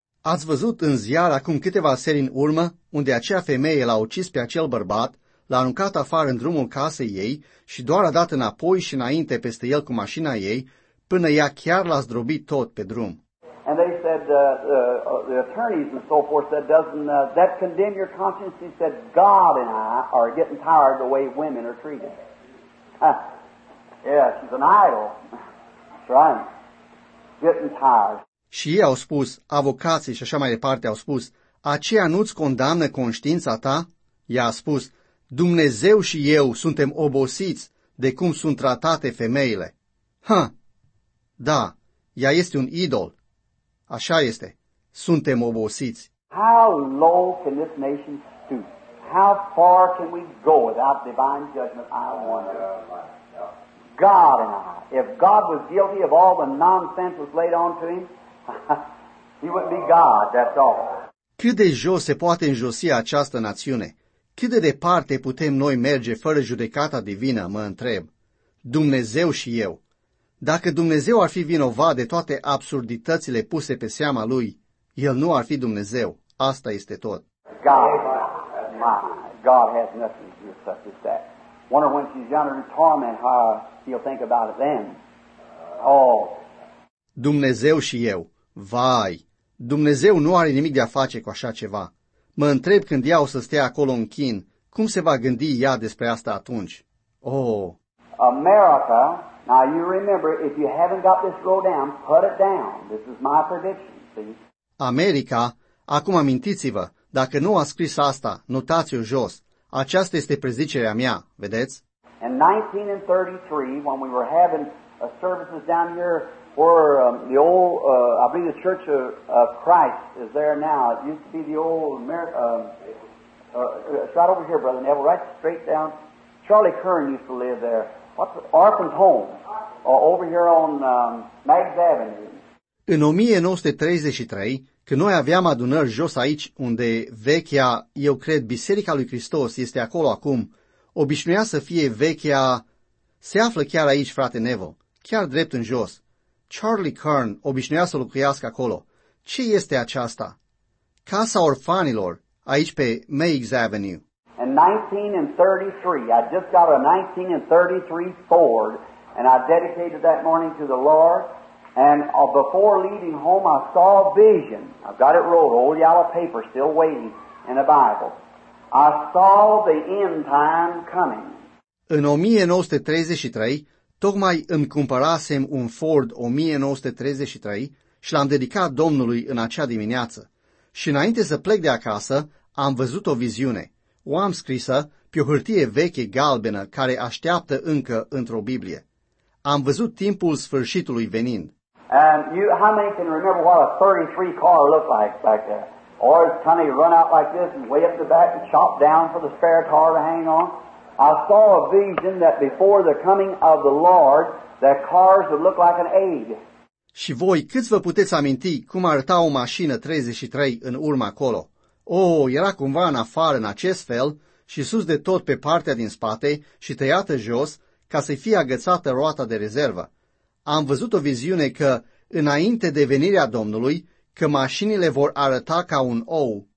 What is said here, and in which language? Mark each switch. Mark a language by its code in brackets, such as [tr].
[ro] Ați văzut în ziar acum câteva seri în urmă unde acea femeie l-a ucis pe acel bărbat, l-a aruncat afară în drumul casei ei și doar a dat înapoi și înainte peste el cu mașina ei, până ea chiar l-a zdrobit tot pe drum. [en] And they said, the attorneys and so forth said, doesn't that condemn your conscience? He said, God and I are getting tired the way women are treated. Yeah, she's an idol. That's right. Getting tired. [ro] Și ei au spus, avocații și așa mai departe au spus, aceea nu-ți condamnă conștiința ta? Ea a spus, Dumnezeu și eu suntem obosiți de cum sunt tratate femeile. Ha! Da, ea este un idol. Așa este. Suntem obosiți. [en] How low can this nation stoop? How far can we go without divine judgment? I wonder. God and I. If God was guilty of all the nonsense was laid on to him, he wouldn't be God, that's all. [ro] Cât de jos se poate înjosi această națiune? Cât de departe putem noi merge fără judecata divină, mă întreb. Dumnezeu și eu. Dacă Dumnezeu ar fi vinovat de toate absurditățile puse pe seama Lui, El nu ar fi Dumnezeu. Asta este tot. [en] God, my, God has nothing to do with such as that. Wonder when she's younger in torment, how he'll think about it then. Oh. [ro] Dumnezeu și eu. Vai! Dumnezeu nu are nimic de-a face cu așa ceva. Mă întreb când ea o să stea acolo în chin, cum se va gândi ea despre asta atunci? Oh! [en] America... Now you remember, if you haven't got this row down, put it down. This is my prediction, see? [ro] America, acum amintiți-vă, dacă nu a scris asta, notați-o jos. Aceasta este prezicerea mea, vedeți? [en] In 1933, when we were having services down here, where the old, I believe the Church of Christ is there now. It used to be the old, it's right over here, Brother Neville, right straight down. Charlie Curran used to live there. Orphan's home, over here on Maggs Avenue. [ro] În 1933, când noi aveam adunări jos aici, unde vechea, eu cred, Biserica lui Hristos este acolo acum, obișnuia să fie vechea, se află chiar aici, frate Neville, chiar drept în jos. Charlie Kern obișnuia să locuiască acolo. Ce este aceasta? Casa orfanilor, aici pe Maggs Avenue. [en] In 1933, I just got a 1933 Ford, and I dedicated that morning to the Lord, and before leaving home, I saw a vision. I've got it rolled, old yellow paper, still waiting in a Bible. I saw the end time coming. [ro] În 1933, tocmai îmi cumpărasem un Ford 1933 și l-am dedicat Domnului în acea dimineață. Și înainte să plec de acasă, am văzut o viziune. O am scrisă pe o hârtie veche galbenă care așteaptă încă într-o Biblie. Am văzut timpul sfârșitului venind. [en] How many can remember what a 33 car looked like back there? Or it's kind of run out like this and way up the back and chopped down for the spare car to hang on? I saw a vision that before the coming of the Lord, that cars would look like an egg. [ro] Și voi, câți vă puteți aminti cum arăta o mașină 33 în urmă acolo? Era cumva în afară în acest fel și sus de tot pe partea din spate și tăiată jos ca să-i fie agățată roata de rezervă. Am văzut o viziune că, înainte de venirea Domnului, că mașinile vor arăta ca un ou.